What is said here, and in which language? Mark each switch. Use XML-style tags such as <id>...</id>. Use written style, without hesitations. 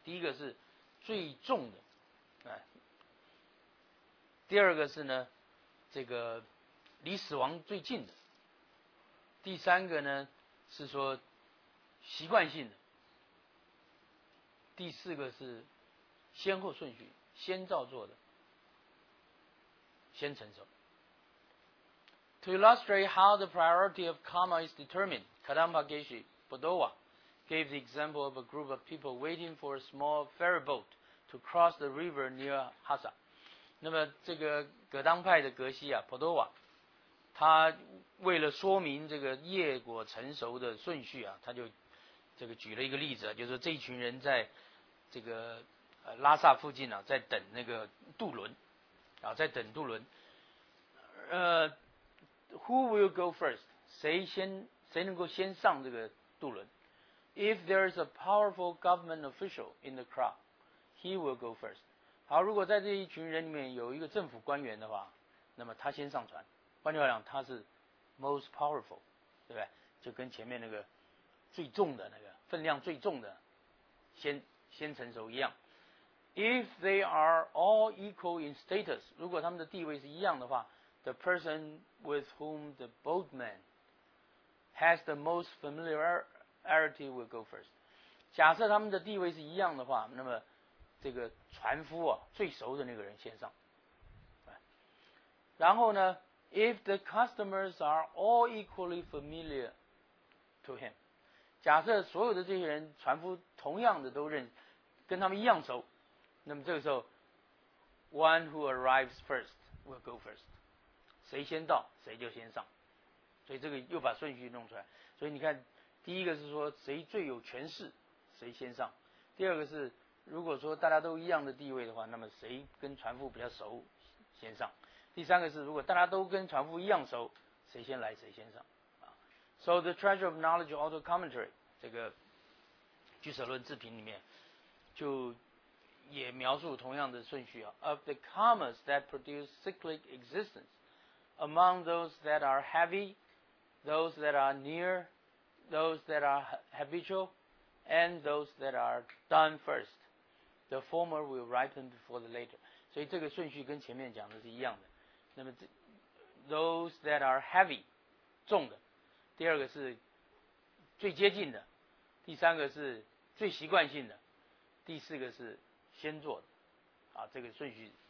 <zh>第一个是最重的，哎，第二个是呢，这个离死亡最近的，第三个呢是说习惯性的。第四个是先后顺序，先造作的，先成熟。</zh> <en>To illustrate how the priority of karma is determined, Kadampa Geshe Bodowa gave the example of a group of people waiting for a small ferry boat to cross the river near Hasa.</en> <zh>那么这个格当派的格西啊 ，Bodowa， 他为了说明这个业果成熟的顺序啊，他就这个举了一个例子，就是这一群人在这个拉萨附近啊，在等那个渡轮啊，在等渡轮。</zh> <en>Who will go first?</en> <zh>谁能够先上这个渡轮</zh> <en>？If there is a powerful government official in the crowd, he will go first.</en> <zh>好，如果在这一群人里面有一个政府官员的话，那么他先上船。换句话讲，他是</zh> <en>most powerful，</en> <zh>对不对？就跟前面那个最重的那个分量最重的先成熟一样。</zh> <en>If they are all equal in status,</en> <zh>如果他们的地位是一样的话，</zh> <en>the person with whom the boatman has the most familiarity will go first.</en> <zh>假设他们的地位是一样的话，那么这个船夫啊，最熟的那个人先上。然后呢，</zh> <en>if the customers are all equally familiar to him,</en> <zh>假设所有的这些人船夫同样的都认识，跟他们一样熟，那么这个时候</zh> <en>one who arrives first will go first，</en> <zh>谁先到谁就先上。所以这个又把顺序弄出来。所以你看，第一个是说谁最有权势谁先上，第二个是如果说大家都一样的地位的话，那么谁跟船夫比较熟先上，第三个是如果大家都跟船夫一样熟，谁先来谁先上。</zh> <en>So the treasure of knowledge auto commentary</en> <zh>这个居舍论自评里面就也描述同样的顺序啊。</zh> <en>Of the karmas that produce cyclic existence, among those that are heavy, those that are near, those that are habitual, and those that are done first, the former will ripen before the later.</en> <zh>所以这个顺序跟前面讲的是一样的。那么</zh> <en>those that are heavy,</en> <zh>重的，第二个是最接近的，第三个是最习惯性的，第四个是先做的啊，这个顺序。</zh>